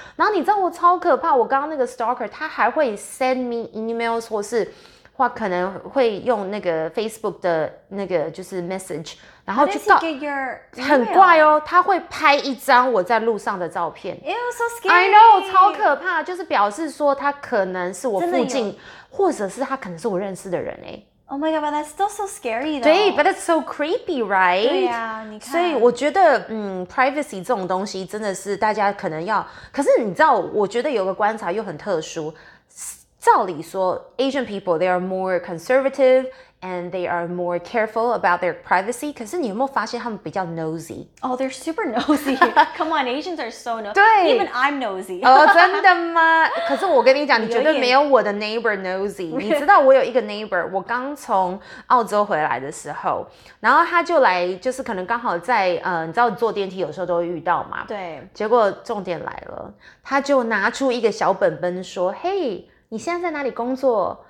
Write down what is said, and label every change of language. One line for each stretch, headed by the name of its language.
Chinese: 然后你知道我超可怕，我刚刚那个 stalker 他还会
English: send me emails
Chinese: 或是话可能会用那个 Facebook 的那个就是 message， 然后就告
English: get your
Chinese: 很怪哦，他会拍一张我在路上的照片。
English: Ew, so scary. I know，
Chinese: 超可怕，就是表示说他可能是我附近，或者是他可能是我认识的人哎。
English: Oh my god, but that's still so scary though.
Chinese: 对
English: but that's so creepy, right?
Chinese: 对啊你看。所以我觉得privacy 这种东西真的是大家可能要可是你知道我觉得有个观察又很特殊。照理说
English: ,Asian people, they are more conservative and they are more careful about their privacy,
Chinese: 可是你有没有发现他们比较
English: nosy? Oh, they're super nosy. Come on, Asians are so nosy.
Chinese: 对
English: Even I'm nosy.
Chinese: 哦、oh, 真的吗可是我跟你讲你绝对没有我的 neighbor nosy. 你知道我有一个 neighbor, 我刚从澳洲回来的时候然后他就来就是可能刚好在你知道坐电梯有时候都会遇到嘛。对。结果重点来了他就拿出一个小本本说嘿、hey,你现在在哪里工作